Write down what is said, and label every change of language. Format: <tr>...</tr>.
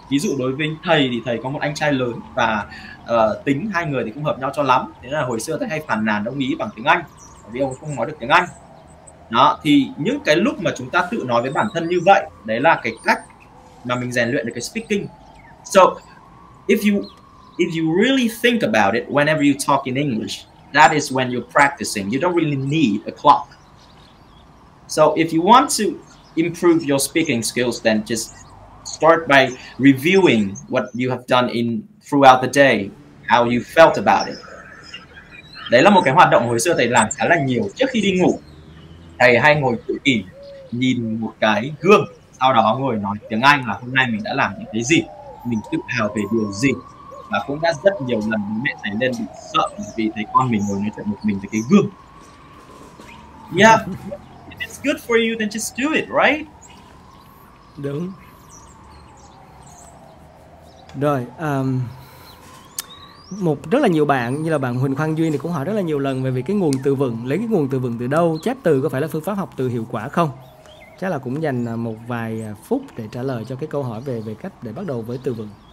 <vi>Ví dụ đối với thầy thì thầy có một anh trai lớn và tính hai người thì cũng hợp nhau cho lắm. Thế nên là hồi xưa thầy hay phàn nàn ông ý bằng tiếng Anh vì ông không nói được tiếng Anh. Đó, thì những cái lúc mà chúng ta tự nói với bản thân như vậy, đấy là cái cách mà mình rèn luyện được cái speaking.</vi> <en>So, if you really think about it, whenever you talk in English, that is when you're practicing. You don't really need a clock. So if you want to improve your speaking skills, then just start by reviewing what you have done in throughout the day, how you felt about it.</en> <vi>Đấy là một cái hoạt động hồi xưa thầy làm khá là nhiều. Trước khi đi ngủ, thầy hay ngồi tự kỷ, nhìn một cái gương, sau đó ngồi nói tiếng Anh là hôm nay mình đã làm những cái gì, mình tự hào về điều gì. Và cũng đã rất nhiều lần mẹ thầy lên bị sợ vì thấy con mình ngồi nói chuyện một mình với cái gương.</vi> <en>Yeah, if it's good for you, then just do it, right?</en> <vi>Đúng. Rồi, một rất là nhiều bạn như là bạn Huỳnh Khoan Duy thì cũng hỏi rất là nhiều lần về việc cái nguồn từ vựng, lấy cái nguồn từ vựng từ đâu, chép từ có phải là phương pháp học từ hiệu quả không? Chắc là cũng dành một vài phút để trả lời cho cái câu hỏi về cách để bắt đầu với từ vựng.</vi>